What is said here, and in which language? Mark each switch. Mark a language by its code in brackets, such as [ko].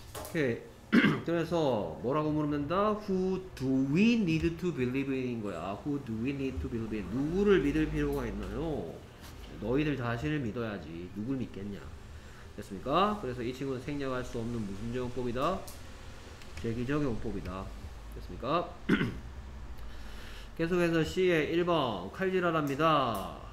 [ko] 오케이. 그래서 뭐라고 물으면 된다? [en] Who do we need to believe in 거야. Who do we need to believe in? [ko] 누구를 믿을 필요가 있나요? 너희들 자신을 믿어야지. 누굴 믿겠냐. 됐습니까? 그래서 이 친구는 생략할 수 없는 무슨 적용법이다? 재기적 용법이다. 됐습니까? 계속해서 C의 1번 칼질하랍니다.